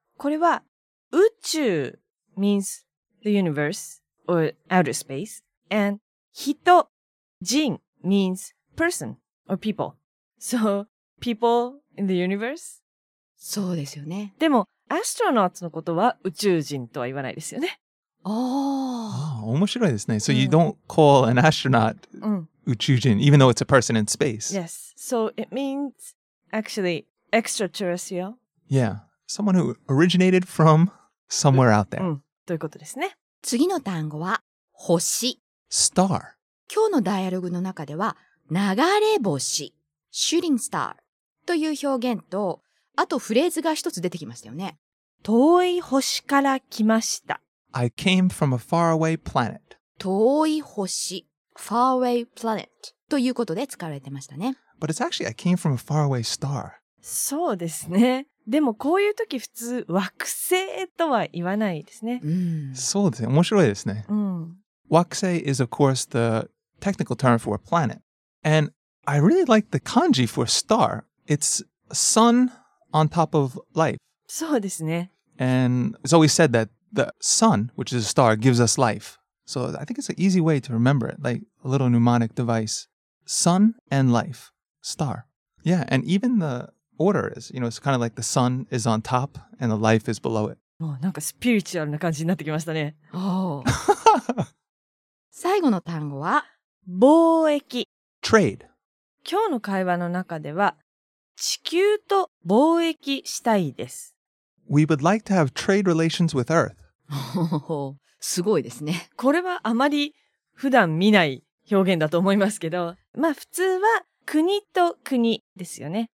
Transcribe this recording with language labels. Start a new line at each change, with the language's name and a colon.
Japanese: これは、
English: 宇宙 means the universe or outer space. And 人、人 means person or people. So, people in the universe?
Japanese: そうですよね。でも、アストロナッツのことは宇宙人とは言わないですよね。ああ、面白いですね。
English: So, you don't call an astronaut 宇宙人、even though it's a person in space. Yes. So, it means, actually, extraterrestrial. Yeah. someone who originated from somewhere out there.
Japanese: ということですね。次の単語は星。
English: Star.
Japanese: 今日のダイアログの中では流れ星、
English: shooting star
Japanese: という表現と、あとフレーズが一つ出てきましたよね。遠い星から来ました。
English: I came from a faraway planet.
Japanese: 遠い星、
English: faraway planet
Japanese: ということで使われてましたね。
English: But it's actually, I came from a faraway star.
Japanese: そうですね。でもこういう時普通惑星とは言わないですね。うん、そうですね。面白いですね。うん、
English: 惑星 is of course the technical term for a planet. And I really like the kanji for star. It's sun on top of life.
Japanese: そうですね。
English: And it's always said that the sun, which is a star, gives us life. So I think it's an easy way to remember it, like a little mnemonic device. Sun and life. Star. Yeah, and even the... Order is, you know, it's kind of like the sun is on top and the life is below it.
Japanese: Oh, なんかスピリチュアルな感じになってきましたね。 Oh. 最後の単語は貿易。
English: Trade.
Japanese: 今日の会話の中では地球と貿易したいです。
English: We would like to have trade relations with Earth.
Japanese: すごいですね。これはあまり普段見ない表現だと思いますけど、まあ普通は国と国ですよね。